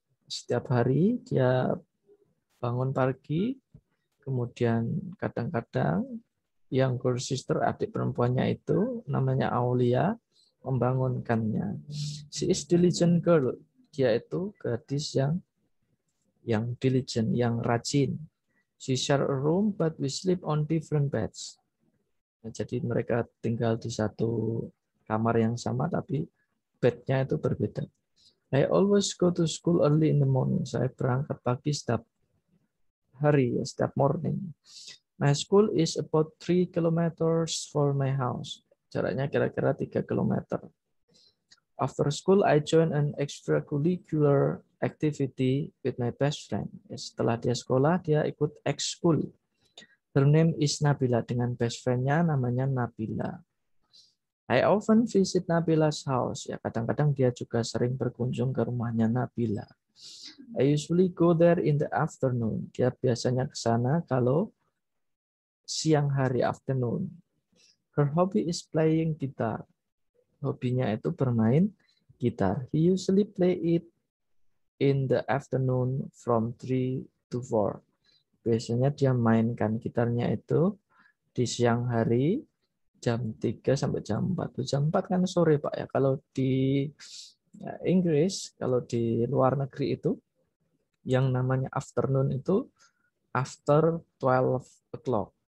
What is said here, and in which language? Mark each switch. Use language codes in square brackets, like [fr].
[id] Setiap hari dia bangun pagi, kemudian kadang-kadang [en] younger sister, [id] adik perempuannya itu, namanya Aulia, membangunkannya. [en] She is diligent girl. [id] Dia itu gadis yang diligent, yang rajin. [en] She share a room, but we sleep on different beds. [id] Nah, jadi mereka tinggal di satu kamar yang sama, tapi bednya itu berbeda. [en] I always go to school early in the morning. [id] Saya berangkat pagi setiap hari, setiap morning. [en] My school is about 3 kilometers from my house. [id] Jaraknya kira-kira 3 kilometer. [en] After school, I join an extracurricular activity with my best friend. [id] Setelah dia sekolah, dia ikut ex-school. [en] Her name is Nabila. [id] Dengan best friend-nya namanya Nabila. [en] I often visit Nabila's house. [id] Ya, kadang-kadang dia juga sering berkunjung ke rumahnya Nabila. [en] I usually go there in the afternoon. [id] Dia biasanya ke sana kalau siang hari, [en] afternoon. Her hobby is playing guitar. [id] Hobinya itu bermain gitar. [en] He usually play it in the afternoon from 3 to 4. [id] Biasanya dia mainkan gitarnya itu di siang hari, jam 3 sampai jam 4. Jam 4 kan sore, Pak, ya. Kalau di Inggris, kalau di luar negeri itu yang namanya afternoon itu [en] after 12 o'clock.